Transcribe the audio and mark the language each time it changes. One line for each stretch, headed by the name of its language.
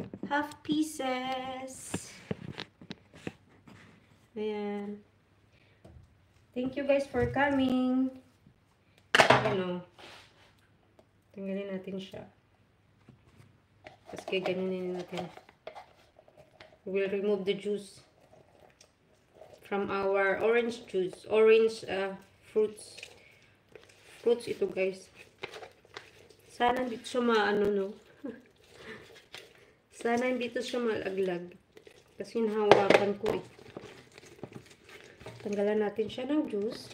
English: half pieces. Ayan. Thank you guys for coming.
Filipino: Ano? Tanggalin natin siya. Tapos gaganinin natin.
English: We'll remove the juice from our orange juice. Orange fruits. Fruits
Filipino: ito,
English: guys.
Filipino: Sana hindi ito siya maano, no? Sana hindi ito siya malaglag. Kasi nahawakan ko eh. Tanggalan natin siya ng juice.